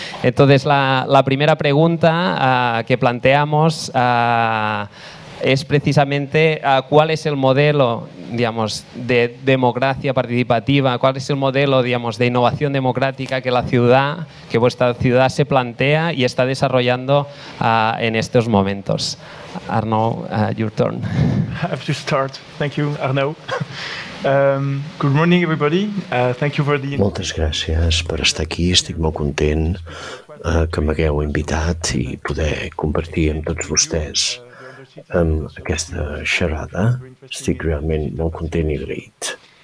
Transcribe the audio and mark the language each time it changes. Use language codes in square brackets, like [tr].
[es] Entonces, la primera pregunta que planteamos es precisamente cuál es el modelo, digamos, de democracia participativa, cuál es el modelo, digamos, de innovación democrática que la ciudad, que vuestra ciudad se plantea y está desarrollando en estos momentos. [en] Arnaud, your turn. I have to start. Thank you, Arnaud. Good morning, everybody. Thank you for the... [ca] Moltes gràcies per estar aquí. Estic molt content que m'hagueu invitat i poder compartir amb tots vostès amb aquesta xerrada. Estic realment molt content i agraït.